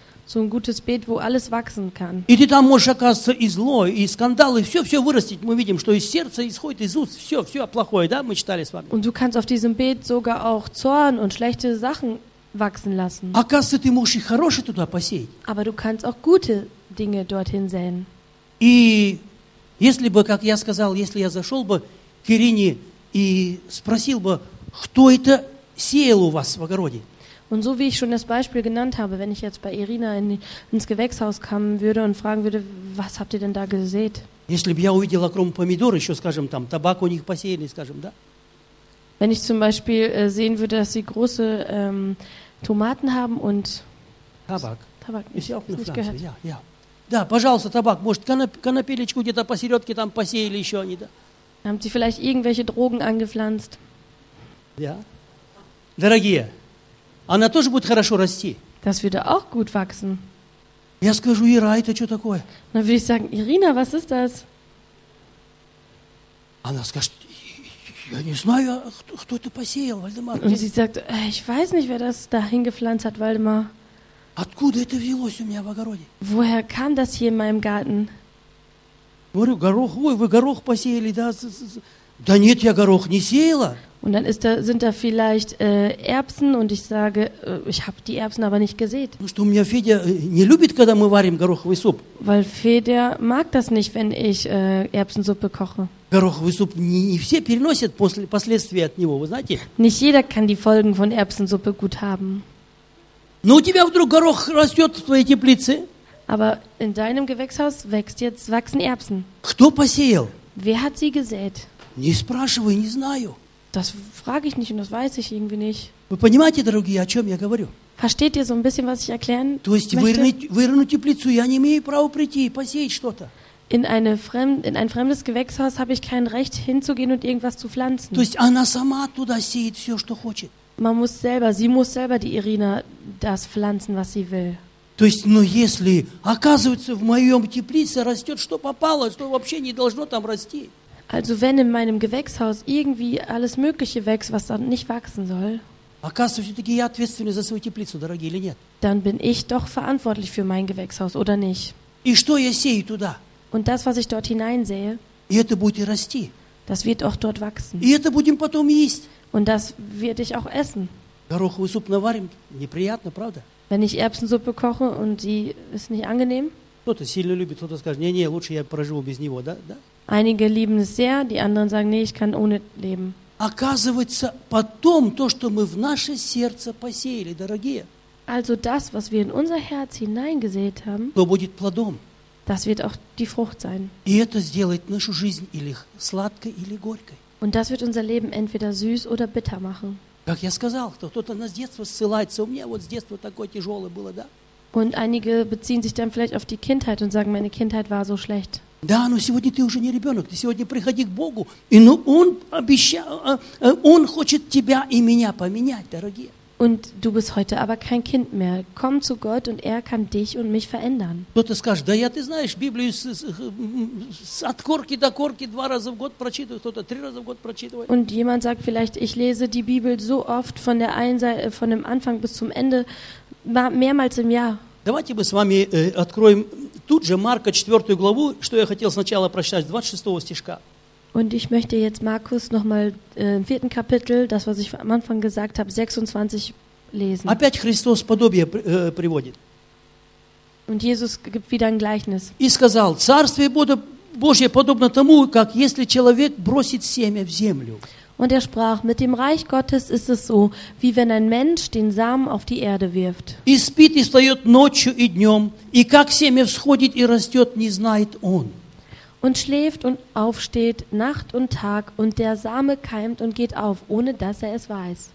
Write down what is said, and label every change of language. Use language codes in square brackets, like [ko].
[de] So ein gutes Beet, wo alles wachsen kann. [ru] И ты там можешь оказаться и зло, и скандал, и все-все вырастить. Мы видим, что из сердца исходит из уст, все-все плохое, да, мы читали с вами. [de] Und du kannst auf diesem Beet sogar auch Zorn und schlechte Sachen wachsen lassen. [ru] Оказывается, ты можешь и хорошее туда посеять. [de] Aber du kannst auch gute Dinge dorthin säen. [ru] И если бы, как я сказал, если я зашел бы к Ирине и спросил бы, кто это сеял у вас в огороде? [de] Und so wie ich schon das Beispiel genannt habe, wenn ich jetzt bei Irina ins Gewächshaus kommen würde und fragen würde, was habt ihr denn da gesät? [ru] Если бы я увидел огромный помидор, еще, скажем, там табак у них посеяли, скажем, да? [de] Wenn ich zum Beispiel sehen würde, dass sie große Tomaten haben und [ru] Табак. Табак. [de] Ist ja auch eine Pflanze. Ja, ja. [ru] Да, пожалуйста, табак. Может, конопелечку где-то посередке там посеяли еще они, да? [de] Haben sie vielleicht irgendwelche Drogen angepflanzt? Ja. [ru] Дорогие, она тоже будет хорошо расти. [de] Das würde auch gut wachsen. [ru] Я скажу, Ира, это что такое? [de] Dann würde ich sagen, Ирина, was ist das? [ru] Она скажет, я не знаю, кто это посеял, Вальдемар. [de] Und sie sagt, ich weiß nicht, wer das da hingepflanzt hat, Вальдемар. [ru] Откуда это взялось у меня в огороде? [de] Woher kam das hier in meinem Garten? [ru] Говорю, горох, ой, вы горох посеяли, да? Да нет, я горох не сеяла. [de] Und dann ist da, sind da vielleicht Erbsen und ich sage, ich habe die Erbsen aber nicht gesät. [ru] Что у меня Федя не любит, когда мы варим гороховый суп. [de] Weil Федя mag das nicht, wenn ich Erbsensuppe koche. [ru] Гороховый суп не все переносят последствия от него, вы знаете? [de] Nicht jeder kann die Folgen von Erbsensuppe gut haben. [ru] Но у тебя вдруг горох растет в твоей теплице. [de] Aber in deinem Gewächshaus wächst jetzt wachsen Erbsen. [ru] Кто посеял? [de] Wer hat sie gesät? [ru] Не спрашивай, не знаю. [de] Das frage ich nicht und das weiß ich irgendwie nicht. [ru] Вы понимаете, дорогие, о чем я говорю? [de] Versteht ihr so ein bisschen, was ich erklären möchte? [ru] То есть вырыть теплицу я не имею права прийти и посеять что-то. [de] In ein fremdes Gewächshaus habe ich kein Recht, hinzugehen und irgendwas zu pflanzen. [ru] То есть она сама туда сеет все, что хочет. [de] man muss selber, sie muss selber die Irina das pflanzen, was sie will. [ru] То есть, ну если, оказывается, в моем теплице растет, что попало, что вообще не должно там расти. [de] Also wenn in meinem Gewächshaus irgendwie alles Mögliche wächst, was dann nicht wachsen soll, [ru] оказывается, все-таки я ответственный за свою теплицу, дорогие, или нет? [de] Dann bin ich doch verantwortlich für mein Gewächshaus, oder nicht? [ru] И что я сею туда? [de] Und das, was ich dort hineinsehe, [ru] и это будет и расти. [de] Das wird auch dort wachsen. [ru] И это будем потом есть. [de] Und das werde ich auch essen. [ru] Гороховый суп наварим, неприятно, правда? [de] Wenn ich Erbsensuppe koche und die ist nicht angenehm. [ru] Кто-то сильно любит, кто-то скажет, не-не, лучше я проживу без него, да? Да? [de] Einige lieben es sehr, die anderen sagen, nee, ich kann ohne leben. [ru] Оказывается, потом то, что мы в наше сердце посеяли, дорогие. [de] Also das, was wir in unser Herz hineingesät haben, [ru] то будет плодом. [de] Das wird auch die Frucht sein. [ru] И это сделает нашу жизнь или сладкой, или горькой. [de] Und das wird unser Leben entweder süß oder bitter machen. [ru] Как я сказал, кто-то нас с детства ссылается. У меня вот с детства такое тяжелое было, да? [de] Und einige beziehen sich dann vielleicht auf die Kindheit und sagen, meine Kindheit war so schlecht. [ru] Да, но сегодня ты уже не ребенок. Ты сегодня приходи к Богу, и ну, он обещал, он хочет тебя и меня поменять, дорогие. [de] Und du bist heute aber kein Kind mehr. Komm zu Gott und er kann dich und mich verändern. [ru] Кто-то скажет, да я, ты знаешь, Библию с от корки до корки два раза в год прочитываю, кто-то три раза в год прочитывает. [de] Und jemand sagt vielleicht, ich lese die Bibel so oft von der einen Seite, von dem Anfang bis zum Ende, mehrmals im Jahr. [ru] Давайте мы с вами откроем тут же Марка 4 главу, что я хотел сначала прочитать, 26 стишка. [de] Und ich möchte jetzt Markus nochmal im vierten Kapitel, das, was ich am Anfang gesagt habe, 26 lesen. [ru] Опять Христос подобие приводит. [de] Und Jesus gibt wieder ein Gleichnis. [ru] И сказал, Царствие Божие подобно тому, как если человек бросит семя в землю. [de] Und er sprach, mit dem Reich Gottes ist es so, wie wenn ein Mensch den Samen auf die Erde wirft. [ru] И спит, и встает ночью и днем, и как семя всходит и растет, не знает он. [de] Und schläft und aufsteht Nacht und Tag und der Same keimt und geht auf, ohne dass er es weiß.